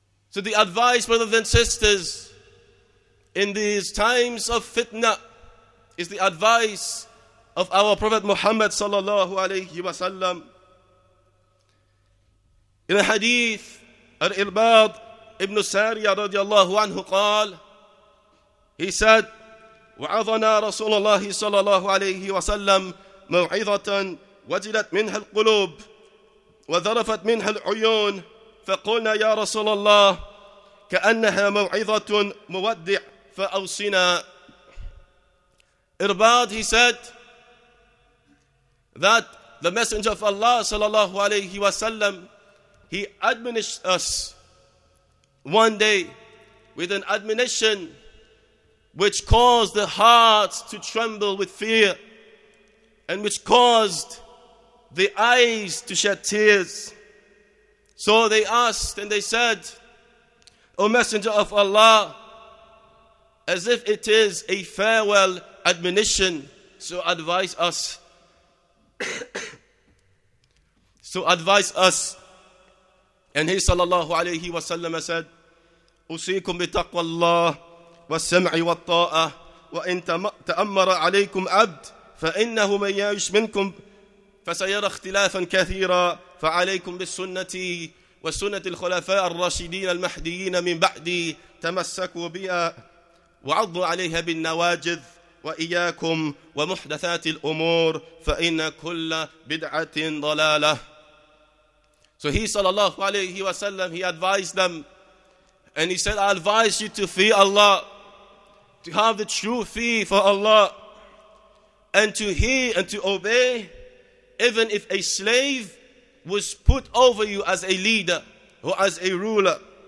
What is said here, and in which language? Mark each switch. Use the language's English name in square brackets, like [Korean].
[English] So the advice, brothers and sisters, in these times of fitna, is the advice of our Prophet Muhammad sallallahu alayhi wa sallam. In a hadith, Al-Irbad ibn Sariya radiallahu anhu qal, he said, [Arabic] وَعَظَنَا رَسُولَ اللَّهِ صَلَى اللَّهُ عَلَيْهِ وَسَلَّمُ مَوْعِظَةً وَجِلَتْ مِنْهَا الْقُلُوبُ وَذَرَفَتْ مِنْهَا الْعُيُونُ فَقُلْنَا يَا رَسُولَ اللَّهِ كَأَنَّهَا مَوْعِظَةٌ مُوَدِّعُ فَأَوْصِنَا. [English] Irbad, he said, that the Messenger of Allah [Arabic] صلى الله عليه وسلم, [English] he admonished us one day with an admonition which caused the hearts to tremble with fear, and which caused the eyes to shed tears. So they asked and they said, O Messenger of Allah, as if it is a farewell admonition, so advise us. So advise us. And he sallallahu alayhi wa sallam said, [Arabic] Usikum bi taqwa Allah والسمع والطاعة وإن تأمر عليكم عبد فإنه من يعيش منكم فسيرى اختلافا كثيرا فعليكم بالسنة وسنة الخلفاء الراشدين المهديين من بعدي تمسكوا بها وعضوا عليها بالنواجذ وإياكم ومحدثات الأمور فإن كل بدعة ضلالة. [English] So he sallallahu alayhi wa sallam, he advised them and he said, I advise you to fear Allah, to have the true fear for Allah, and to hear and to obey, even if a slave was put over you as a leader or as a ruler.